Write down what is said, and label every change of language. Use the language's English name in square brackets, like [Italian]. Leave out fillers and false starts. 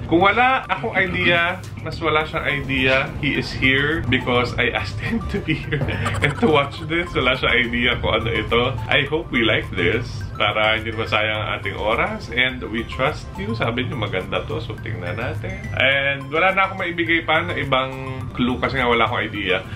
[Filipino] Kung wala akong idea, mas wala siyang idea. [English] He is here because I asked him to be here and to watch this. [Filipino] Wala siyang idea kung ano ito. [English] I hope we like this. [Filipino] Para hindi masayang ating oras. [English] And we trust you. [Filipino] Sabi nyo maganda to. So tingnan natin. And wala na akong maibigay pa na ibang clue kasi nga wala akong idea.